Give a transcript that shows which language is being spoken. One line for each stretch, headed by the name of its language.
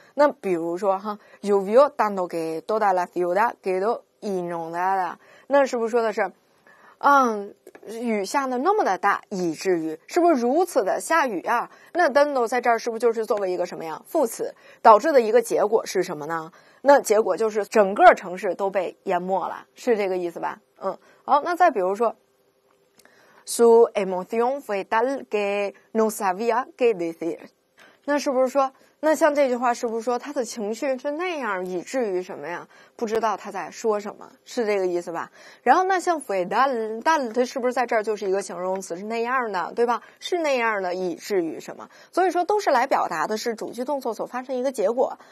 Chinese: 那比如说哈 ，
Spanish: lluvió dando que toda la ciudad quedó inundada，
Chinese: 那是不是说的是，雨下的那么的大，以至于是不是如此的下雨啊？那 dando 在这儿是不是就是作为一个什么呀副词，导致的一个结果是什么呢？那结果就是整个城市都被淹没了，是这个意思吧？好，那再比如说。
Spanish: Su emoción fue tal que no sabía qué decir.
Chinese: 那是不是说，那像这句话是不是说他的情绪是那样以至于什么呀，不知道他在说什么，是这个意思吧？然后那像 fue tal， tal 它是不是在这儿就是一个形容词，是那样的，对吧？是那样的以至于什么。所以说都是来表达的是主句动作所发生一个结果。